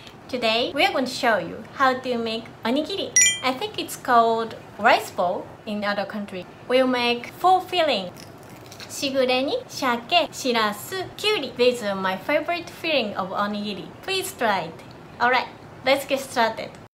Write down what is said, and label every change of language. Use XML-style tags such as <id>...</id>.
<en>Today we are going to show you how to make onigiri. I think it's called rice ball in other countries. We'll make four fillings.</en> <ja>しぐれに、しゃけ、しらす、きゅうり。</ja> <en>These are my favorite filling of onigiri. Please try it. Alright, let's get started.</en>